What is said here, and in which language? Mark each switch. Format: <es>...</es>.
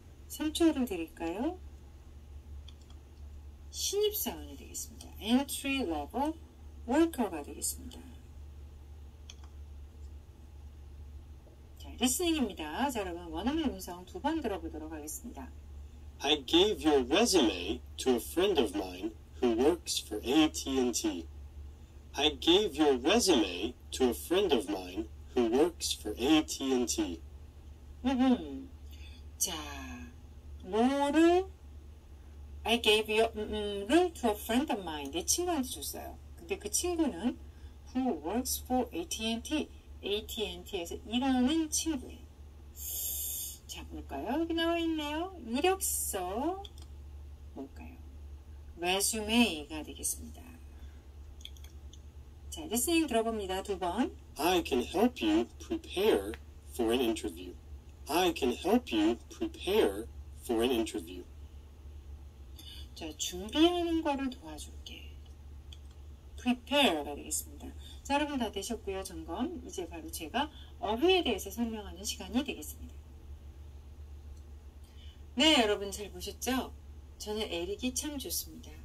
<ko>3초를 드릴까요? 신입사원이 되겠습니다. Entry-level worker가 되겠습니다. 자, listening입니다. 자, 여러분, 원어민 음성 두 번 들어보도록 하겠습니다.</ko> <en>I gave your resume to a friend of mine who works for AT&T. I gave your resume to a friend of mine who works for AT&T.</en> <ko>자, 뭐를?</ko> <en>I gave your to a friend of mine.</en> <ko>내 친구한테 줬어요. 근데 그 친구는</ko> <en>who works for AT&T.</en> <ko>AT&T에서 일하는 친구예요. 자, 볼까요? 여기 나와 있네요. 이력서. 뭘까요? Resume가 되겠습니다. 자, listening 들어봅니다. 두 번.</ko> <en>I can help you prepare for an interview. I can help you prepare for an interview.</en> <ko>자, 준비하는 거를 도와줄게. Prepare가 되겠습니다. 자, 여러분 다 되셨고요. 점검. 이제 바로 제가 어휘에 대해서 설명하는 시간이 되겠습니다. 네, 여러분 잘 보셨죠? 저는 에릭이 참 좋습니다.</ko>